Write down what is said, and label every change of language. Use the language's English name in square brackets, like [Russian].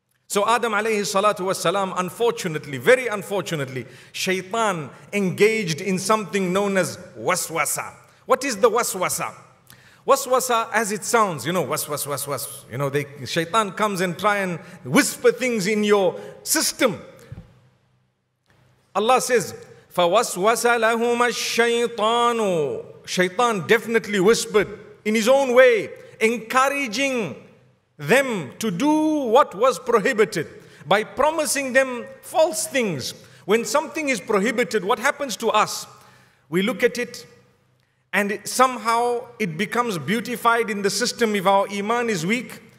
[English] So Adam alayhi salatu wasalam, unfortunately, very unfortunately, shaitan engaged in something known as waswasa. What is the waswasa? Waswasa, as it sounds, you know, waswas, waswas. You know, shaitan comes and try and whisper things in your system. Allah says, [Arabic] فَوَسْوَسَ لَهُمَ الشَّيْطَانُ. [English] Shaitan definitely whispered in his own way, encouraging them to do what was prohibited by promising them false things. When something is prohibited, what happens to us? We look at it, and somehow it becomes beautified in the system if our iman is weak.